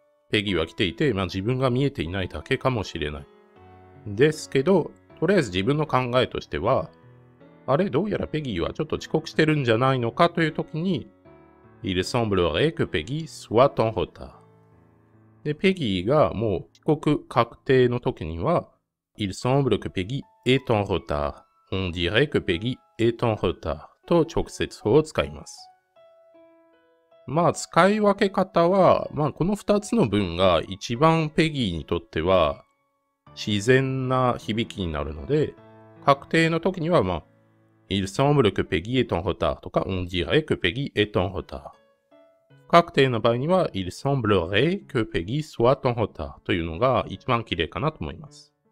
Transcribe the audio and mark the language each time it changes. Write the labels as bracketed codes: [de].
[ja] ペギーは来ていて、まあ自分が見えていないだけかもしれないですけど、とりあえず自分の考えとしては、あれ、どうやらペギーはちょっと遅刻してるんじゃないのかという時に、 [fr] Il semblerait que Peggy soit en retard。 [ja] で、ペギーがもう遅刻確定の時には、 [fr] Il semble que Peggy est en retard。 On dirait que Peggy est en retard [ja] と直接法を使います。まあ使い分け方は、まあこの2つの文が一番ペギーにとっては自然な響きになるので、確定の時にはまあ [fr] Il semble que Peggy est en retard [ja] とか [fr] On dirait que Peggy est en retard、 [ja] 確定の場合には [fr] Il semblerait que Peggy soit en retard [ja] というのが一番綺麗かなと思います。